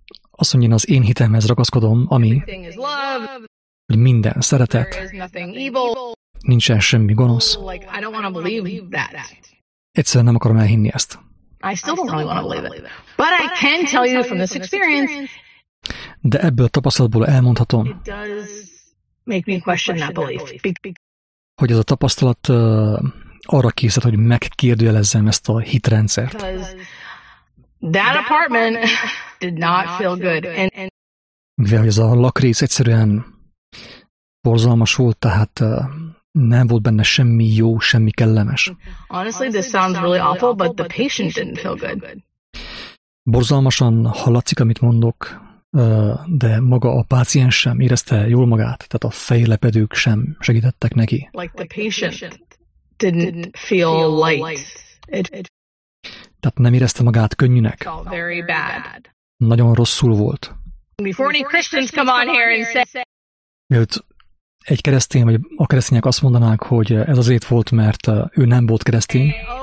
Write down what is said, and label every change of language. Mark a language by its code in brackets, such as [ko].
[hu] Azt mondja, én az én hitemhez ragaszkodom, ami, hogy minden szeretet, nincsen semmi gonosz. [en] I don't want to believe that. [hu] Egyszerűen nem akarom elhinni ezt. [en] I still don't really want to believe it. But I can tell you from this experience. [hu] De ebből a tapasztalatból elmondhatom. [en] It does make me question that belief. [hu] Hogy ez a tapasztalat arra készít, hogy megkérdőjelezzem ezt a hitrendszert. [en] That apartment did not feel good. [hu] Mivel ez a lakrész egyszerűen borzalmas volt, tehát nem volt benne semmi jó, semmi kellemes. [en] Honestly, this sounds really awful, but the patient didn't feel good. [hu] Borzalmasan hallatszik, amit mondok, de maga a páciens sem érezte jól magát, tehát a fejlepedők sem segítettek neki. [en] Like the patient didn't feel light. [hu] Tehát nem érezte magát könnyűnek. [en] Very bad. [hu] Nagyon rosszul volt. [en] Before any Christians come on here and say... [hu] Egy keresztény, vagy a keresztények azt mondanák, hogy ez azért volt, mert ő nem volt keresztény.